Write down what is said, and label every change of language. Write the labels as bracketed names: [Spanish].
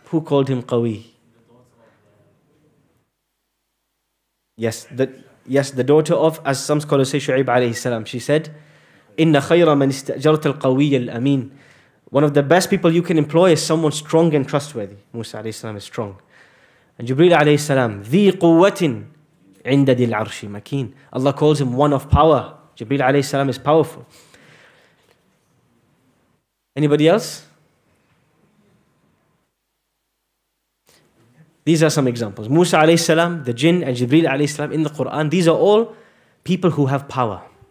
[English] Who called him قَوِي? Yes, the daughter of, as some scholars say, Shu'ib عليه السلام. She said, [Arabic] إِنَّ خَيْرَ مَنِ اسْتَأْجَرْتَ الْقَوِيَ الْأَمِينَ. [English] One of the best people you can employ is someone strong and trustworthy. Musa alayhi salam is strong. And Jibreel alayhi salam, [Arabic] ذي قوة عند ذي العرش مكين. [English] Allah calls him one of power. Jibreel alayhi salam is powerful. Anybody else? These are some examples. Musa alayhi salam, the jinn, and Jibreel alayhi salam in the Quran, these are all people who have power.